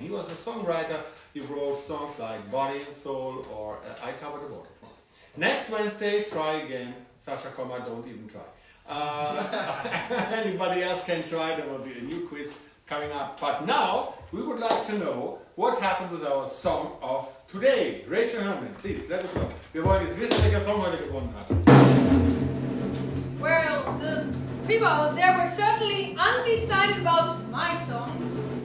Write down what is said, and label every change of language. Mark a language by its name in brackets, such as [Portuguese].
[English] He was a songwriter. He wrote songs like Body and Soul or I Cover the Waterfront. Next Wednesday, try again. Sascha Komma, don't even try. anybody else can try. There will be a new quiz coming up. But now, we would like to know what happened with our song of today. Rachel Herrmann, please, let us know. [German] Wir wollen jetzt wissen, welcher Song heute gewonnen hat. [English] Well, the people, they were certainly undecided about my songs.